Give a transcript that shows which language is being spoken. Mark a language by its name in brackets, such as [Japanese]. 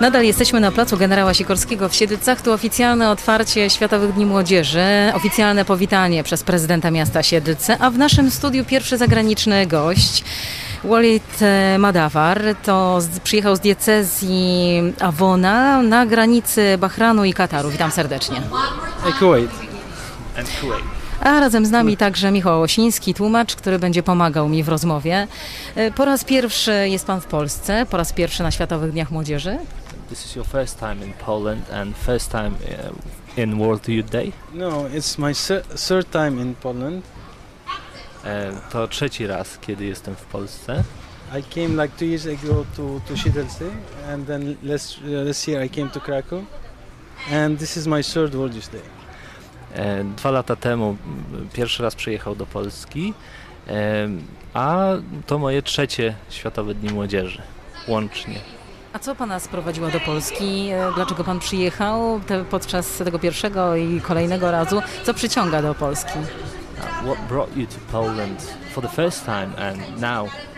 [Polish] Nadal jesteśmy na placu generała Sikorskiego w Siedlcach. Tu oficjalne otwarcie Światowych Dni Młodzieży, oficjalne powitanie przez prezydenta miasta Siedlce, a w naszym studiu pierwszy zagraniczny gość, Walid Madawar, to przyjechał z diecezji Awona na granicy Bahranu i Kataru. Witam serdecznie. Kuwait. A razem z nami także Michał Osiński, tłumacz, który będzie pomagał mi w rozmowie. Po raz pierwszy jest pan w Polsce, po raz pierwszy na Światowych Dniach Młodzieży. [English] This is your first time in Poland and first time in World Youth Day? No, it's my third time in Poland. [Polish] To trzeci raz, kiedy jestem w Polsce. [English] I came like 2 years ago to Siedlce and then last year I came to Krakow. And this is my third World Youth Day. [Polish] Dwa lata temu pierwszy raz przyjechał do Polski, a to moje trzecie Światowe Dni Młodzieży, łącznie. A co pana sprowadziło do Polski? Dlaczego pan przyjechał podczas tego pierwszego i kolejnego razu? Co przyciąga do Polski? [English] What brought you to Poland for the first time and now?